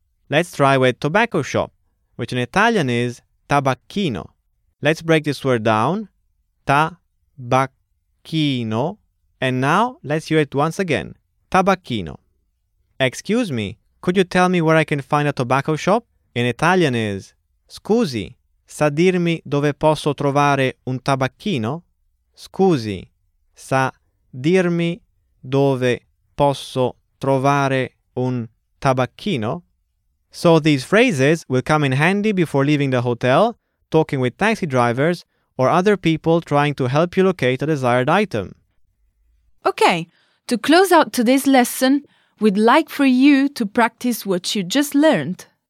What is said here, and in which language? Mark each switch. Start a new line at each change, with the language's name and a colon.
English: Let's try with tobacco shop, which in Italian is tabacchino. Let's break this word down. Ta-ba-chino. And now let's hear it once again. Tabacchino. Excuse me, could you tell me where I can find a tobacco shop? In Italian is
Italian: scusi, sa dirmi dove posso trovare un tabacchino? Scusi, sa dirmi dove posso trovare un tabacchino?
English: So these phrases will come in handy before leaving the hotel, talking with taxi drivers, or other people trying to help you locate a desired item. Okay, to close out today's lesson, we'd like for you to practice what you just learned.